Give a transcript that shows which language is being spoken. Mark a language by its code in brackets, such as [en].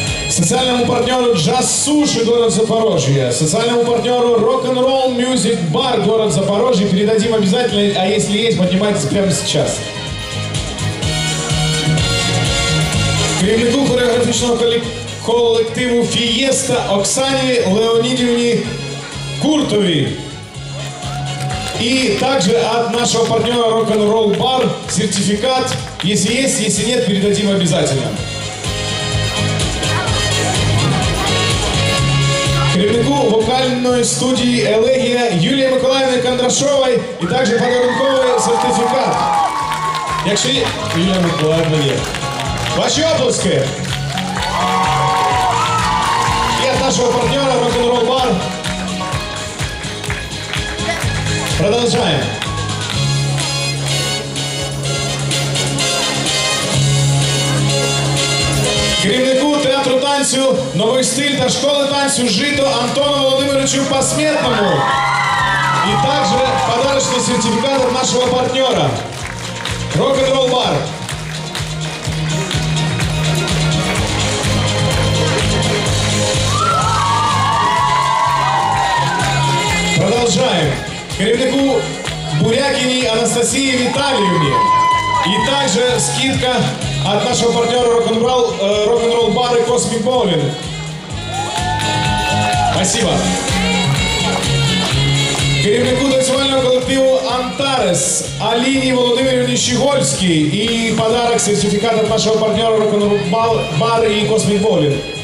[uk] Соціальному партнеру «Джаз-суші» город Запорожжя, соціальному партнеру «Рок-н-ролл мюзик-бар» город Запорожжя [ru] передадим обязательно, а если есть, поднимайтесь прямо сейчас. [uk] Керівнику хореографічного колективу «Фієста» Оксані Леонідівні Куртові. [ru] И также от нашего партнера «Рок-н-ролл бар» сертификат, если есть, если нет, передадим обязательно. [uk] Керівнику вокальної студії «Елегія» Юлії Миколаївни Кондрашової і також подарунковий сертифікат. Якщо є, Юлія Миколаївна є. Ваші оплески! І від нашого партнера «Рок-н-рол бар». Продовжуємо. Керівнику театру танців [ru] концепцию, новый стиль [uk] до школы танцю «Жито» Антону Володимировичу Посметному. [ru] И также подарочный сертификат от нашего партнера. Rock'n'Roll Bar. Продолжаем. Кривляку Бурякиной Анастасии Витальевне. И также скидка от нашего партнера Rock'n'Roll Bar и Cosmic Bowling. Спасибо. [uk] Керівнику танцювального колективу «Антарес» Аліні Володимирівні Щегольській і подарок, сертифікат від нашого партнера «Рок-н-рол бар» і «Космік Болін».